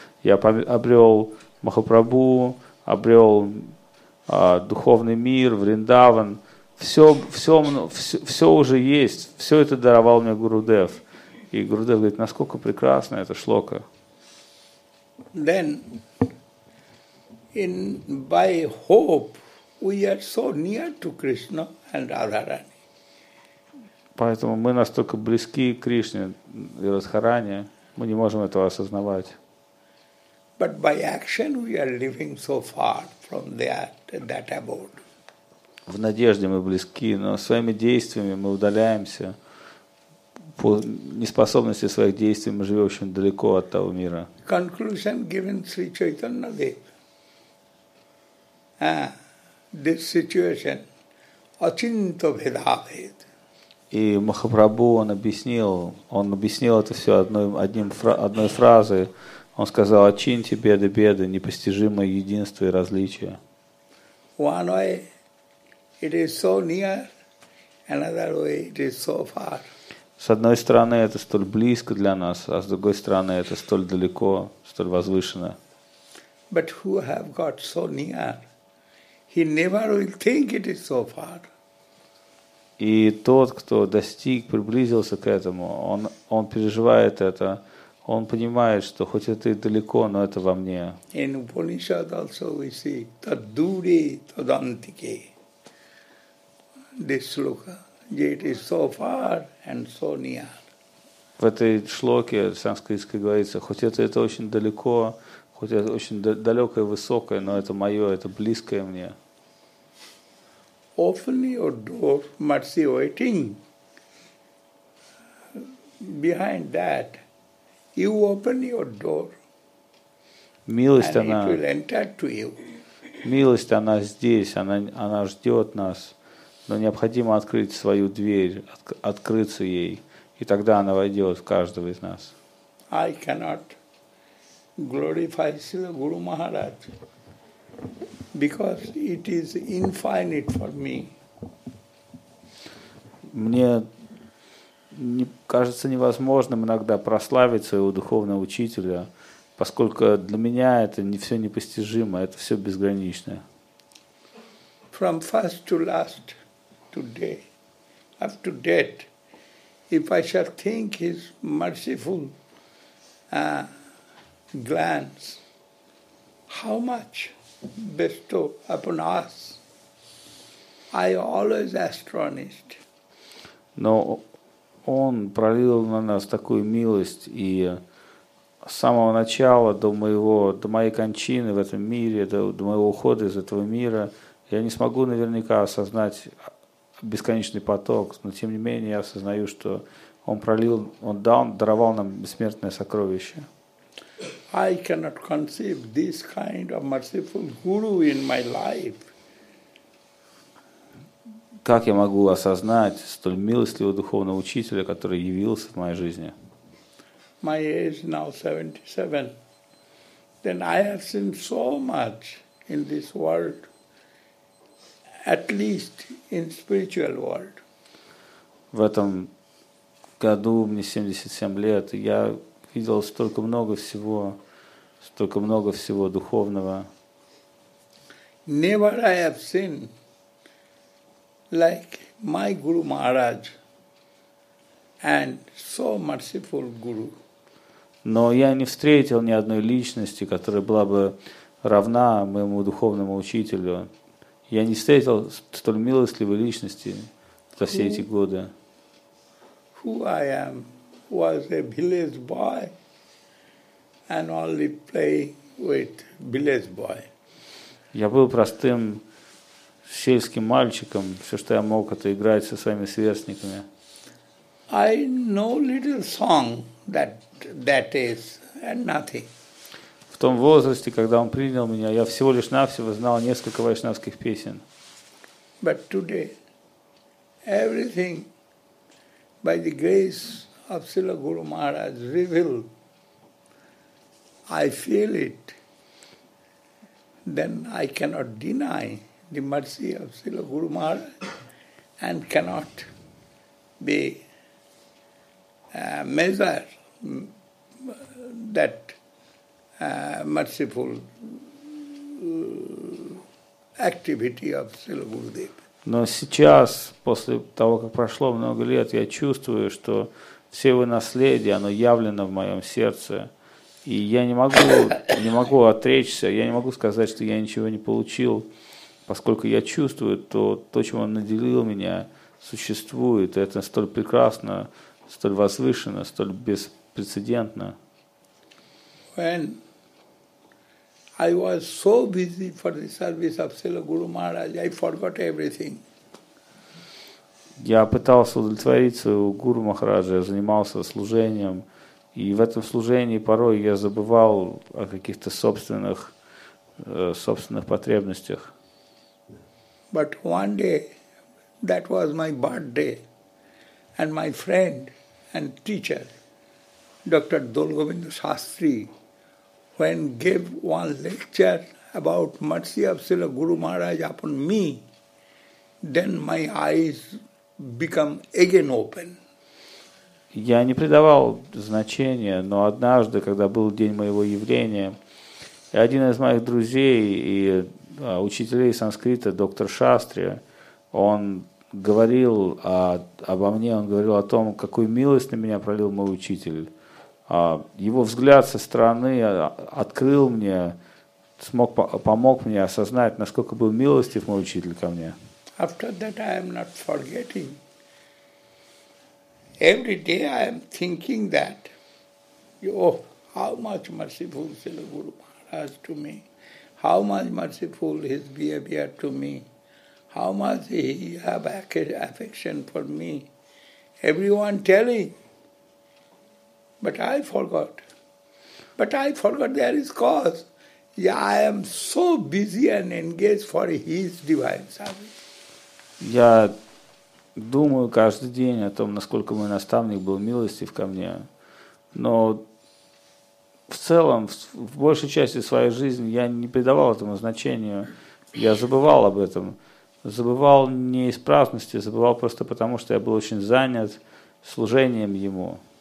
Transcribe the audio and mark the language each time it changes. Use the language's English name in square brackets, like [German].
[Russian] Я обрел Махапрабху, обрел духовный мир, Вриндаван. Все уже есть. Все это даровал мне Гурудев. И Гурудев говорит, насколько прекрасна эта шлока. [English] Then... In by hope we are so near to Krishna and Radharani. [Russian] Поэтому мы настолько близки к Кришне и Радхарани, мы не можем этого осознавать. [English] But by action we are living so far from that abode. [Russian] В надежде мы близки, но своими действиями мы удаляемся. По неспособности своих действий мы живем очень далеко от того мира. [English] Conclusion given Sri Chaitanya Dev. This situation, achinto bhedabhed. [Russian] И Махапрабху он объяснил это все одной фразой. Он сказал, очиньте беды, непостижимое единство и различие. [English] One way it is so near, another way it is so far. [Russian] С одной стороны это столь близко для нас, а с другой стороны это столь далеко, столь возвышенно. [English] But who have got so near? He never will think it is so far. [Russian] И тот, кто достиг, приблизился к этому, он переживает это, он понимает, что хоть это и далеко, но это во мне. [English] In Upanishad also we see tadure tadantike. This shloka, it is so far and so near. [Russian] В этой шлоке санскритской говорится, хоть это очень далеко, хоть это очень далекое и высокое, но это мое, это близкое мне. [English] Open your door, mercy waiting. Behind that, you open your door. [Russian] Милость [English] and it will enter to you. [Russian] Милость она здесь, она ждет нас, но необходимо открыть свою дверь, открыться ей, и тогда она войдет в каждого из нас. [English] I cannot glorify Srila Guru Maharaj. Because it is infinite for me. [Russian] Мне кажется невозможным иногда прославить своего духовного учителя, поскольку для меня это не все непостижимо, это все безграничное. [English] From first to last, today, up to death, if I shall think his merciful glance, how much? Bestow upon us. I always astonished. [Russian] Но он пролил на нас такую милость, и с самого начала до моей кончины в этом мире, до моего ухода из этого мира, я не смогу наверняка осознать бесконечный поток, но тем не менее я осознаю, что он даровал нам бессмертное сокровище. [English] I cannot conceive this kind of merciful guru in my life. [Russian] Как я могу осознать столь милостивого духовного учителя, который явился в моей жизни? [English] My age now 77. Then I have seen so much in this world, at least in spiritual world. [Russian] в этом году мне 77 лет, и я видел столько много всего духовного. [English] Never I have seen like my Guru Maharaj and so merciful Guru. [Russian] Но я не встретил ни одной личности, которая была бы равна моему духовному учителю. Я не встретил столь милостливой личности за все эти годы. [English] Who I am was a village boy and only play with village boy. [Russian] Я был простым сельским мальчиком. Все, что я мог, это играть со своими сверстниками. [English] I know little song that is and nothing. [Russian] В том возрасте, когда он принял меня, я всего лишь навсего знал несколько вайшнавских песен. [English] But today, everything by the grace of Srila Guru Maharaj revealed, I feel it, then I cannot deny the mercy of Srila Guru Maharaj and cannot be measured that merciful activity of Srila Gurudev. [Russian] Но сейчас, после того, как прошло много лет, я чувствую, что все его наследие, оно явлено в моем сердце. И я не могу отречься, я не могу сказать, что я ничего не получил, поскольку я чувствую, что то, чем он наделил меня, существует. И это столь прекрасно, столь возвышенно, столь беспрецедентно. [English] When I was so busy for the service of Srila Guru Maharaj, I forgot everything. [Russian] Я пытался удовлетворить своего Гуру Махараджа, я занимался служением, и в этом служении порой я забывал о каких-то собственных потребностях. [English] But one day, that was my birthday, and my friend and teacher, Dr. Dolgobindu Shastri, when gave one lecture about mercy of Srila Guru Maharaj upon me, then my eyes become again open. [Russian] Я не придавал значения, но однажды, когда был день моего явления, и один из моих друзей и учителей санскрита, доктор Шастри, он говорил обо мне, он говорил о том, какую милость на меня пролил мой учитель. Его взгляд со стороны открыл мне, помог мне осознать, насколько был милостив мой учитель ко мне. [English] After that I am not forgetting. Every day I am thinking that, oh, how much merciful Srila Guru Maharaj to me, how much merciful his behavior to me, how much he have affection for me. Everyone telling. But I forgot. But I forgot there is cause. Yeah, I am so busy and engaged for his divine service. [Russian] Я думаю каждый день о том, насколько мой наставник был милостив ко мне. Но в целом, в большей части своей жизни я не придавал этому значения. Я забывал об этом. Забывал не из праздности, забывал просто потому, что я был очень занят служением ему.